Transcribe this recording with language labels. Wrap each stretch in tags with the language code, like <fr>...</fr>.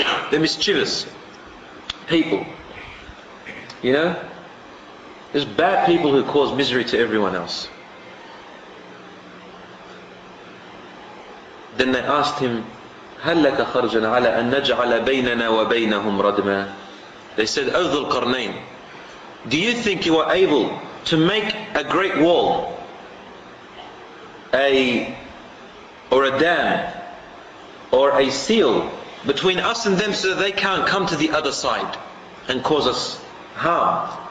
<en>They're mischievous people. You know? There's bad people who cause misery to everyone else. Then they asked him,</en> <ar>هَلْ لَكَ خَرْجًا عَلَىٰ أَن نَجْعَلَ بَيْنَنَا وَبَيْنَهُمْ رَدْمًا.</ar> <en>They said, O Dhulqarnain, do you think you are able to make a great wall, or a dam, or a seal between us and them so that they can't come to the other side and cause us harm?</en>